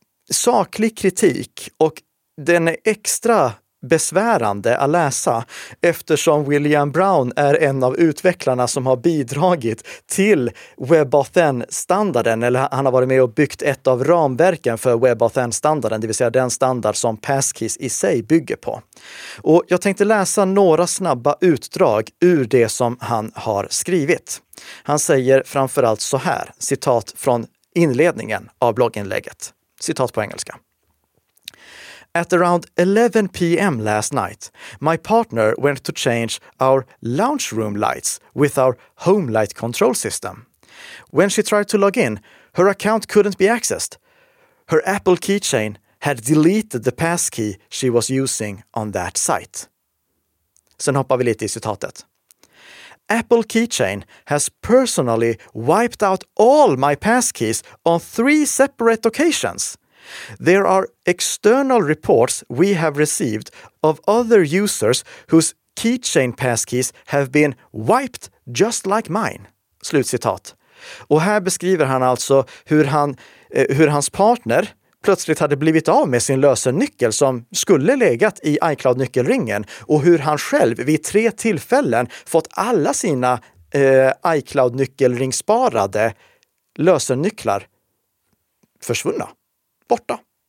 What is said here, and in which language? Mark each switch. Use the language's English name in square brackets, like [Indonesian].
[Swedish] Saklig kritik, och den är extra besvärande att läsa eftersom William Brown är en av utvecklarna som har bidragit till WebAuthn-standarden, eller han har varit med och byggt ett av ramverken för WebAuthn-standarden, det vill säga den standard som passkeys i sig bygger på. Och jag tänkte läsa några snabba utdrag ur det som han har skrivit. Han säger framförallt så här, citat från inledningen av blogginlägget, citat på engelska: [English] "At around 11 p.m. last night, my partner went to change our lounge room lights with our home light control system. When she tried to log in, her account couldn't be accessed. Her Apple keychain had deleted the passkey she was using on that site." [Swedish] Sen hoppar vi lite i citatet. [English] "Apple keychain has personally wiped out all my passkeys on 3 separate occasions. There are external reports we have received of other users whose keychain passkeys have been wiped just like mine." [Swedish] Slutcitat. Och här beskriver han alltså hur hans partner plötsligt hade blivit av med sin lösennyckel som skulle legat i iCloud-nyckelringen, och hur han själv vid 3 tillfällen fått alla sina iCloud-nyckelringsparade lösennycklar försvunna. Borta.